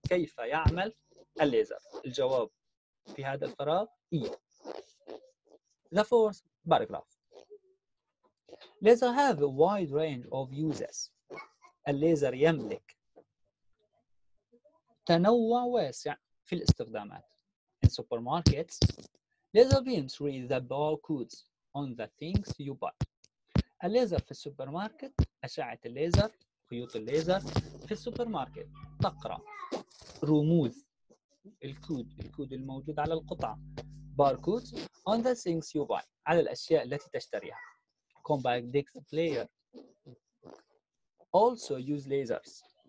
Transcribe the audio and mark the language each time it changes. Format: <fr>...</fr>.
<ar>كيف يعمل الليزر؟ الجواب في هذا الفراغ E.</ar> <en>The fourth paragraph. Laser have a wide range of uses.</en> <ar>الليزر يملك تنوع واسع في الاستخدامات.</ar> <en>In supermarkets, laser beams read the barcodes on the things you buy.</en> <ar>الليزر في السوبر ماركت أشعة الليزر خيوط الليزر في السوبر ماركت تقرأ رموز الكود الموجود على القطعة باركود</ar> <en>on the things you buy</en> <ar>على الأشياء التي تشتريها.</ar> <en>Compact disc player also use lasers.</en>